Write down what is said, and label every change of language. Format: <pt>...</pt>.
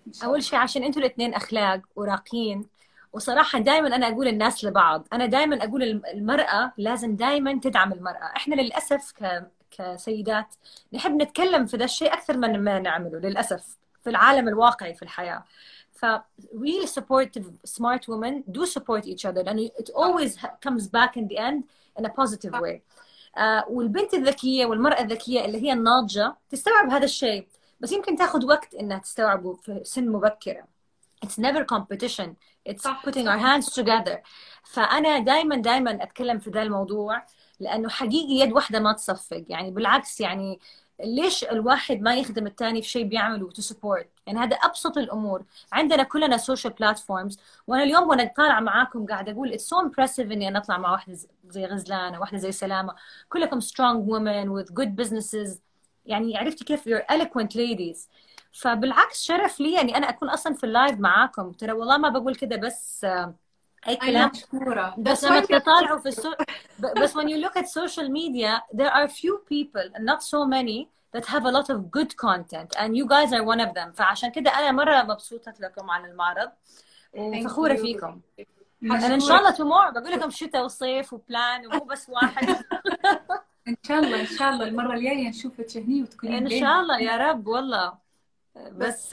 <ar>اول شيء عشان انتوا الاثنين اخلاق وراقيين، وصراحه دائما انا اقول الناس لبعض، انا دائما اقول المراه لازم دائما تدعم المراه، احنا للاسف كسيدات نحب نتكلم في ذا الشيء أكثر من ما نعمله للأسف في العالم الواقعي في الحياة.</ar> <en>ف really supportive smart women do support each other and it always comes back in the end in a positive way.</en> <ar>والبنت الذكية والمرأة الذكية اللي هي الناضجة تستوعب هذا الشيء، بس يمكن تأخذ وقت إنها تستوعبه في سن مبكرة.</ar> <en>It's never competition. It's putting our hands together.</en> <ar>فأنا دايماً دايماً أتكلم في ذا الموضوع لأنه حقيقي يد واحدة ما تصفق. يعني بالعكس يعني ليش الواحد ما يخدم الثاني في شيء بيعمله</ar> <en>to support؟</en> <ar>يعني هذا أبسط الأمور. عندنا كلنا</ar> <en>social platforms.</en> <ar>وأنا اليوم وأنا طالع معاكم قاعد أقول</ar> <en>it's so impressive</en> <ar>إني أنا أطلع مع واحدة زي غزلان وواحدة زي سلامة. كلكم</ar> <en>strong women with good businesses.</en> <ar>يعني عرفتي كيف</ar> <en>you're eloquent ladies.</en> <ar>فبالعكس شرف لي يعني أنا أكون أصلاً في اللايف معاكم. ترى والله ما بقول كده بس أي كلام. بس لما تطالعوا في بس</ar> <en>when you look at social media there are few people and not so many that have a lot of good content and you guys are one of them.</en> <ar>فعشان كده أنا مرة مبسوطة لكم على المعرض وفخورة فيكم. أنا إن شاء الله tomorrow بقول لكم شتاء وصيف وبلان ومو بس واحد. إن شاء الله إن شاء الله المرة الجاية نشوفك هني وتكونين. إن شاء الله يا رب والله. بس</ar>